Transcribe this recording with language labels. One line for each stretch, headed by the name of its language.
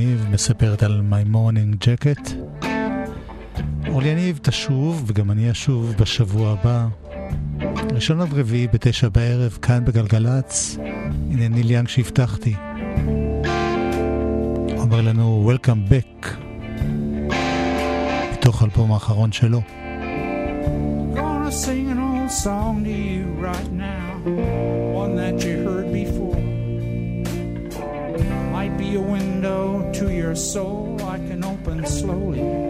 Hebrew: מספרת על My Morning Jacket. אורלי יניב תשוב, וגם אני אשוב בשבוע הבא, ראשון עד רביעי בתשע בערב, כאן בגלגלץ. הנה ניל יאנג שהבטחתי, אומר לנו Welcome Back בתוך אלבום האחרון שלו.
English: Gonna sing an old song to you right now, one that you heard before. Might be a window to your soul I can open slowly.